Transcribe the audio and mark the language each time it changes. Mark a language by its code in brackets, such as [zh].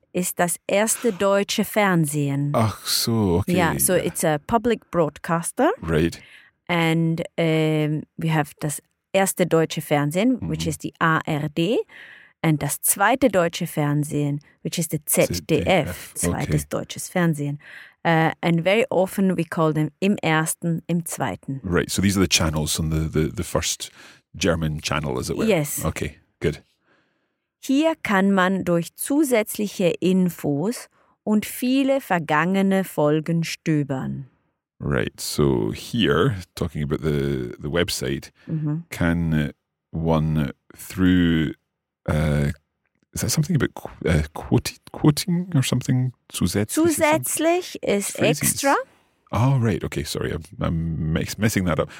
[de] ist das erste deutsche Fernsehen. Ach so, okay. [en] Yeah, so it's a public broadcaster. Right. And we have [de] das erste deutsche Fernsehen, [en] which is the ARD, and [de] das zweite deutsche Fernsehen, [en] which is the ZDF, zweites okay. [de] deutsches Fernsehen. [en] And very often we call them [de] im ersten, im zweiten. [en] Right, so these are the channels on the first German channel, as it were. Yes. Okay, good. [de] Hier kann man durch zusätzliche Infos und viele vergangene Folgen stöbern. [en] Right, so here, talking about the website, mm-hmm. can one through, is that something about quoting or something? Zusätzlich is phrases. Extra. Oh, right, okay, sorry, I'm messing that up.